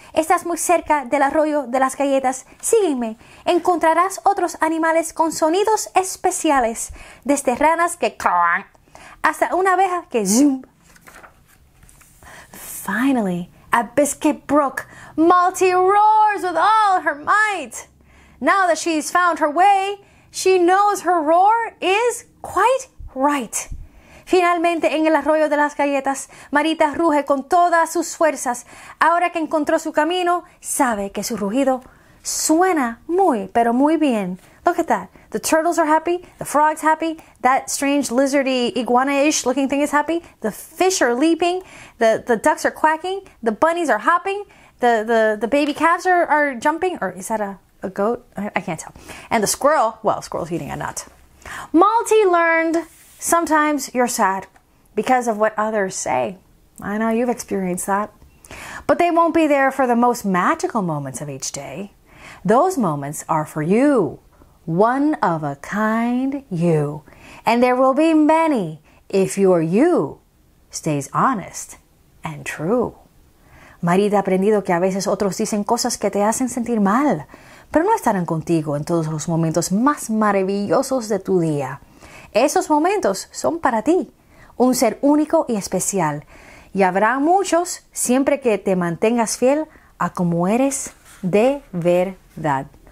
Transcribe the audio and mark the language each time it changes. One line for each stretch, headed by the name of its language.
Spanish: Estás muy cerca del arroyo de las galletas. Sígueme. Encontrarás otros animales con sonidos especiales. Desde ranas que crack hasta una abeja que zoom.
English: Finally, at Biscuit Brook, Malty roars with all her might. Now that she's found her way, she knows her roar is quite right.
Spanish: Finalmente, en el arroyo de las galletas, Marita ruge con todas sus fuerzas. Ahora que encontró su camino, sabe que su rugido suena muy, pero muy bien.
English: Look at that. The turtles are happy. The frog's happy. That strange lizardy iguana-ish looking thing is happy. The fish are leaping. The ducks are quacking. The bunnies are hopping. The baby calves are jumping. Or is that a a goat? I can't tell. And the squirrel, well, squirrel's eating a nut. Malty learned sometimes you're sad because of what others say. I know you've experienced that. But they won't be there for the most magical moments of each day. Those moments are for you, one of a kind you. And there will be many if your you stays honest and true.
Spanish: Marita ha aprendido que a veces otros dicen cosas que te hacen sentir mal, pero no estarán contigo en todos los momentos más maravillosos de tu día. Esos momentos son para ti, un ser único y especial, y habrá muchos siempre que te mantengas fiel a como eres de verdad.